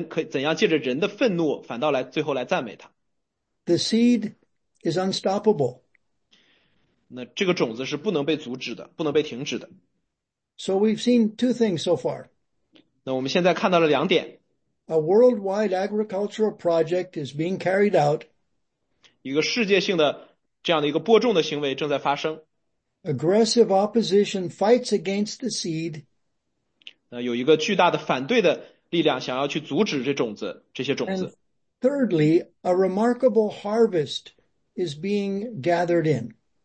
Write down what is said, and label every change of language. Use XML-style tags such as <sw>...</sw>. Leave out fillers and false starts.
<zh>那你可以看到神可怎样借着人的愤怒反倒来最后来赞美他。</zh> <en>The seed is unstoppable.</en> <zh>那这个种子是不能被阻止的，不能被停止的。</zh> <en>So we've seen two things so far.</en> <zh>那我们现在看到了两点。</zh> <en>A worldwide agricultural project is being carried out.</en> <zh>一个世界性的这样的一个播种的行为正在发生。</zh> <en>Aggressive opposition fights against the seed.</en> <zh>有一个巨大的反对的力量想要去阻止这种子，这些种子。</zh> <en>And thirdly, a remarkable harvest is being gathered in.</en>